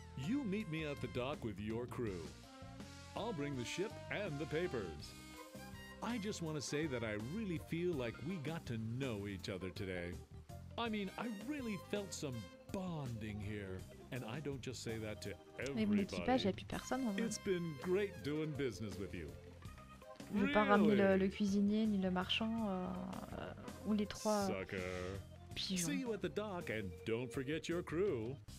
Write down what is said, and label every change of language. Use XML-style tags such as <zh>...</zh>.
<en>You meet me at the dock with your crew. I'll bring the ship and the papers. I just want to say that I really feel like we got to know each other today. I mean, I really felt some bonding here. And I don't just say that to everybody. It's been great doing business with you.</en> <fr>Je vais pas ramener le cuisinier ni le marchand ou les trois pigeons.</fr> <en>See you at the dock and don't forget your crew.</en>